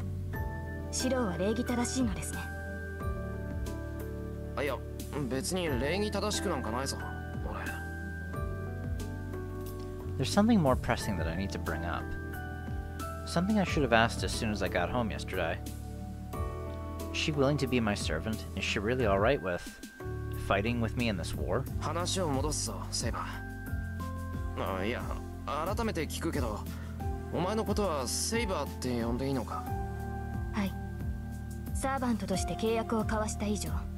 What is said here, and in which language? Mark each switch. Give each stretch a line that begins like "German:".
Japanese: それはどうも。サーバントがマスターを守護するのは当たり前ですが、感謝はされるのは嬉しい。シローは礼儀正しいのですね。
English: There's something more pressing that I need to bring up. Something I should have asked as soon as I got home yesterday. Is she willing to be my servant? Is she really alright with fighting with me in this war?
Japanese: はい。サーバントとして契約を交わした以上、